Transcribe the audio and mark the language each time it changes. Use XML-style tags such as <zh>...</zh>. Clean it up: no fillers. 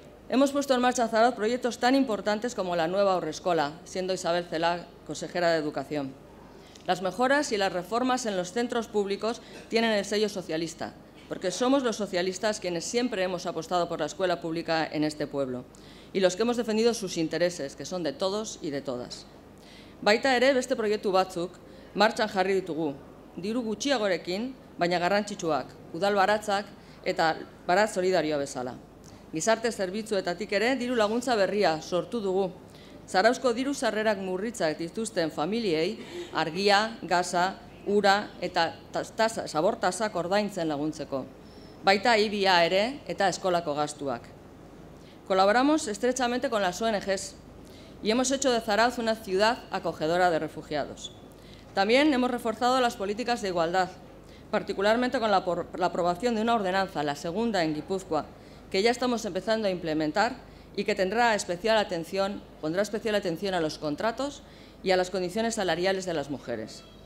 <es>Hemos puesto en marcha a Zarauz proyectos tan importantes como la nueva Haurreskola, siendo Isabel Celaá consejera de Educación. Las mejoras y las reformas en los centros públicos tienen el sello socialista, porque somos los socialistas quienes siempre hemos apostado por la escuela pública en este pueblo y los que hemos defendido sus intereses, que son de todos y de todas.</es> <eu>Baita ere, beste proiektu batzuk martxan jarri ditugu, diru gutxiagorekin, baina garrantzitsuak, udal baratzak eta baratz solidarioa bezala. Gizarte zerbitzuetatik ere, diru laguntza berria sortu dugu. Zarauzko diru sarrerak murritzak dituzten familiei, argia, gaza, ura eta zabortasak ordaintzen laguntzeko. Baita IBA ere eta eskolako gastuak.</eu> <es>Kolaboramos estrechamente con las ONGs y hemos hecho de Zarauz una ciudad acogedora de refugiados. También hemos reforzado las políticas de igualdad, particularmente con la aprobación de una ordenanza, la segunda en Gipuzkoa, que ya estamos empezando a implementar y que pondrá especial atención a los contratos y a las condiciones salariales de las mujeres.</es>